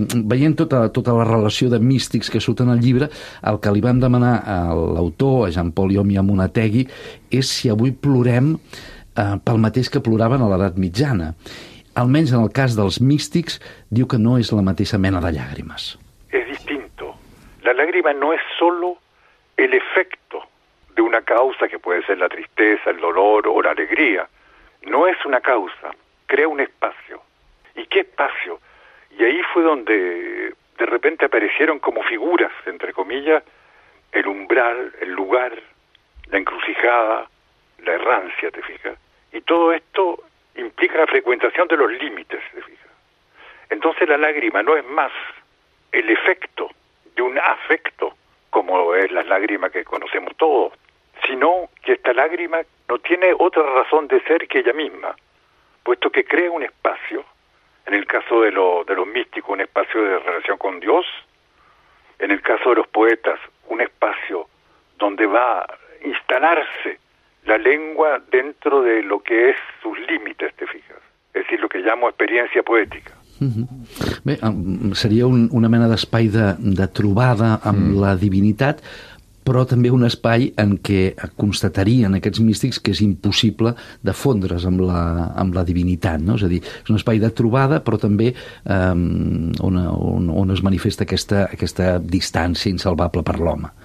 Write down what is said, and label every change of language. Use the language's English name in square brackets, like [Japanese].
[Catalan] Veient tota la relació de místics que surten al llibre, el que li vam demanar a l'autor, a Jean-Paul Iomi Amunategui, és si avui plorem pel mateix que ploraven a l'edat mitjana. Almenys en el cas dels místics, diu que no és la mateixa mena de llàgrimes. [Spanish] És distinto. La lágrima no és solo el efecto de una causa, que puede ser la tristeza, el dolor o la alegría. No es una causa, crea un espacio. ¿Y qué espacio? Y ahí fue donde de repente aparecieron como figuras, entre comillas, el umbral, el lugar, la encrucijada, la errancia, ¿te fijas? Y todo esto implica la frecuentación de los límites, ¿te fijas? Entonces la lágrima no es más el efecto de un afecto, como es la lágrima que conocemos todos, sino que esta lágrima no tiene otra razón de ser que ella misma, puesto que crea un espacio, en el caso de los místicos, un espacio de relación con Dios, en el caso de los poetas, un espacio donde va a instalarse la lengua dentro de lo que es sus límites, te fijas, es decir, lo que llamo experiencia poética. [Catalan] Bé, seria una mena d'espai de trobada amb la divinitat, però també un espai en què constatarien aquests místics que és impossible de fondre's amb la divinitat, no? És a dir, és un espai de trobada, però també on es manifesta aquesta distància insalvable per l'home.